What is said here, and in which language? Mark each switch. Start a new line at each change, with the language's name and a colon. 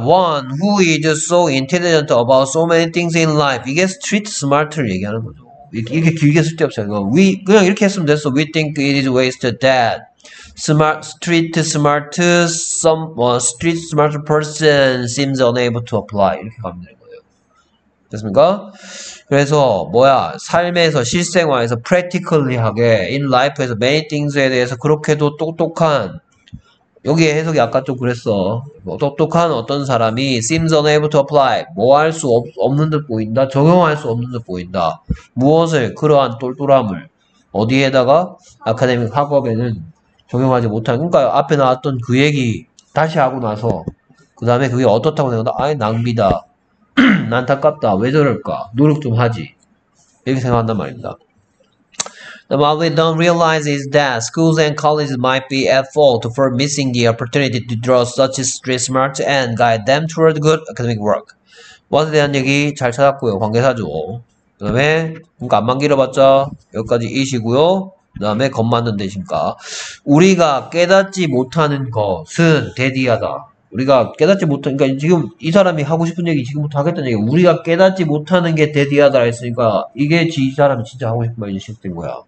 English: one who is so intelligent about so many things in life.
Korean: 이게 street smart를 얘기하는 거죠. 이렇게 길게 쓸데없어요. We 그냥 이렇게 했으면 됐어.
English: We think it is wasted that street smart person seems unable to apply.
Korean: 이렇게 가면 되는 거예요. 됐습니까? 그래서 뭐야? 삶에서 실생활에서 practically 하게 in life에서 many things에 대해서 그렇게도 똑똑한 여기에 해석이 아까 좀 그랬어. 똑똑한 어떤 사람이
English: seems unable to apply.
Korean: 뭐할수 없는 듯 보인다. 적용할 수 없는 듯 보인다. 무엇을 그러한 똘똘함을 어디에다가 아카데믹 학업에는 적용하지 못한. 그러니까 앞에 나왔던 그 얘기 다시 하고 나서 그 다음에 그게 어떻다고 생각한다. 아이 낭비다. 안타깝다. 왜 저럴까? 노력 좀 하지. 이렇게 생각한단 말입니다.
English: What we don't realize is that schools and colleges might be at fault for missing the opportunity to draw such street smarts and guide them toward good academic work.
Korean: What에 대한 얘기 잘 찾았고요. 관계사죠. 그 다음에, 그러니까 안만 길어봤자 여기까지 이시고요. 그 다음에 겉맞는 대신가. 우리가 깨닫지 못하는 것은 대디하다. 우리가 깨닫지 못한, 그러니까 지금 이 사람이 하고 싶은 얘기 지금부터 하겠다는 얘기, 우리가 깨닫지 못하는 게 대디하다 했으니까, 이게 이 사람이 진짜 하고 싶은 말이 시작된 거야.